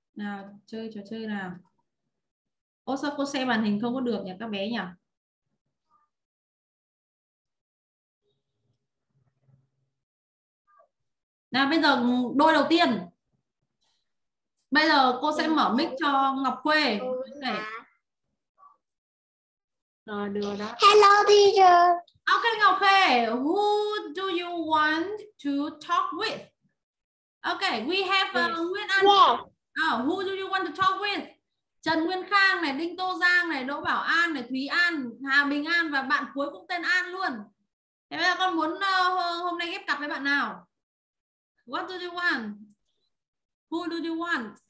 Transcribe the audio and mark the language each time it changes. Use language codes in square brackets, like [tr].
[vi] Nào, chơi trò chơi nào. Ô sao cô xem màn hình không có được nhỉ các bé nhỉ? Nào bây giờ đôi đầu tiên. Bây giờ cô sẽ mở mic cho Ngọc Khuê. Rồi được. [en] Hello teacher. Okay Ngọc Khuê, who do you want to talk with? Okay, we have Nguyễn An. Yeah. Who do you want to talk with? [vi] Trần Nguyên Khang này, Đinh Tô Giang này, Đỗ Bảo An này, Thúy An, Hà Bình An và bạn cuối cũng tên An luôn. Thế bây giờ con muốn hôm nay ghép cặp với bạn nào? [en] What do you want? Who do you want?